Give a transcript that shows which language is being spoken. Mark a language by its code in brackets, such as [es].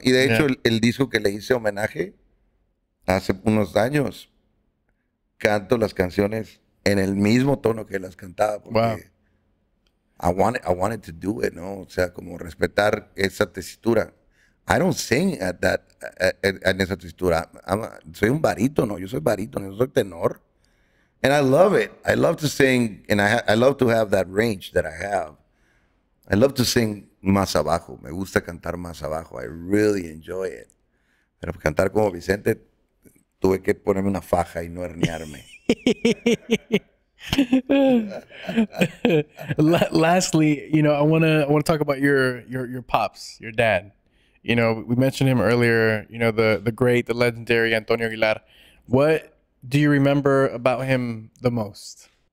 [es] Y de hecho, el disco que le hice homenaje hace unos años, canto las canciones en el mismo tono que las cantaba. Porque wow. [en] I wanted to do it, [es] ¿no? O sea, como respetar esa tesitura. [en] I don't sing at that, [es] en esa tesitura. Soy un barítono, yo soy barítono, yo soy tenor. [en] And I love it. I love to sing, and I love to have that range that I have. I love to sing [es] más abajo. Me gusta cantar más abajo. [en] I really enjoy it. [es] Pero cantar como Vicente, tuve que ponerme una faja y no herniarme. [en] Lastly, you know, I want to talk about your pops, your dad. You know, we mentioned him earlier, you know, the great, the legendary Antonio Aguilar. What do you remember about him the most?